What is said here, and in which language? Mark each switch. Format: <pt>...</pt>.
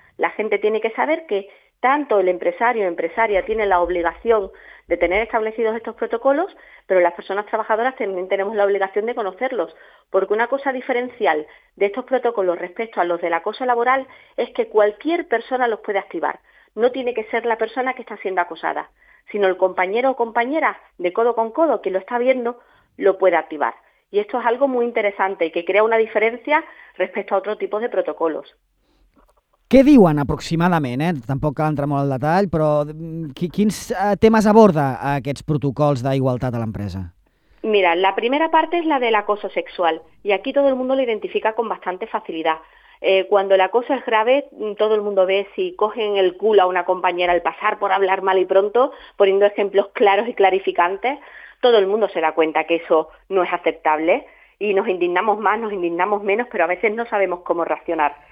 <es>La gente tiene que saber que tanto el empresario o empresaria tiene la obligación de tener establecidos estos protocolos, pero las personas trabajadoras también tenemos la obligación de conocerlos, porque una cosa diferencial de estos protocolos respecto a los del acoso laboral es que cualquier persona los puede activar. No tiene que ser la persona que está siendo acosada, sino el compañero o compañera de codo con codo que lo está viendo lo puede activar. Y esto es algo muy interesante y que crea una diferencia respecto a otro tipo de protocolos.</es> <ca>Què diuen aproximadament? Tampoc cal entrar molt al detall, però quins temes aborda aquests protocols d'igualtat a l'empresa?</ca> <es>Mira, la primera parte es la del acoso sexual, y aquí todo el mundo lo identifica con bastante facilidad. Cuando el acoso es grave, todo el mundo ve si cogen el culo a una compañera al pasar por hablar mal y pronto, poniendo ejemplos claros y clarificantes, todo el mundo se da cuenta que eso no es aceptable y nos indignamos más, nos indignamos menos, pero a veces no sabemos cómo reaccionar.</es>